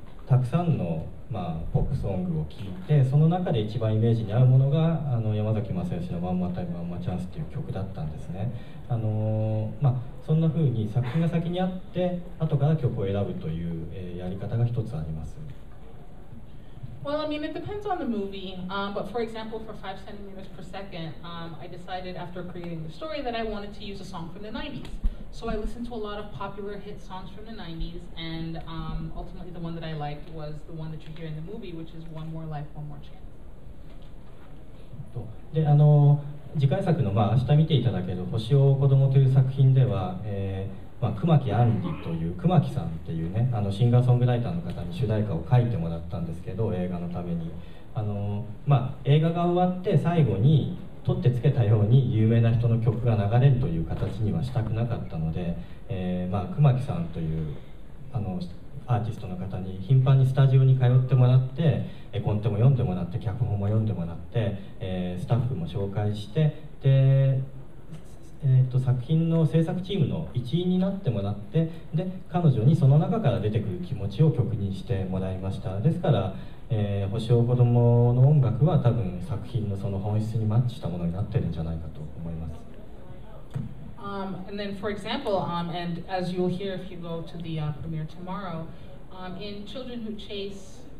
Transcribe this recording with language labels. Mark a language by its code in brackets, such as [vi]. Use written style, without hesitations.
[ja] たくさんの、まあ、ポップソングを聴いて、その中で一番イメージに合うものが、あの山崎まさよしのワンマータイムワンマーチャンスという曲だったんですね。まあ、そんな風に作品が先にあって、後から曲を選ぶという、やり方が一つあります。 [en] Well, I mean, it depends on the movie, but for example, for 5 centimeters per second, I decided after creating the story that I wanted to use a song from the 90s. So I listened to a lot of popular hit songs from the 90s, and ultimately the one that I liked was the one that you hear in the movie, which is One More Life, One More Chance. [ja] で、あの、次回作の、まあ、明日見ていただける星を子供という作品では、まあ、熊木アンディという熊木さんっていうね、あのシンガーソングライターの方に主題歌を書いてもらったんですけど、映画のために、あの、まあ、映画が終わって最後に取ってつけたように有名な人の曲が流れるという形にはしたくなかったので、まあ、熊木さんというあのアーティストの方に頻繁にスタジオに通ってもらって、絵コンテも読んでもらって、脚本も読んでもらって、スタッフも紹介して、で作品の制作チームの一員になってもらって、で彼女にその中から出てくる気持ちを曲にしてもらいました。ですから、星を子供の音楽は多分作品のその本質にマッチしたものになってるんじゃないかと思います。 [en] And then for example, and as you'll hear if you go to the premiere tomorrow, in Children Who Chase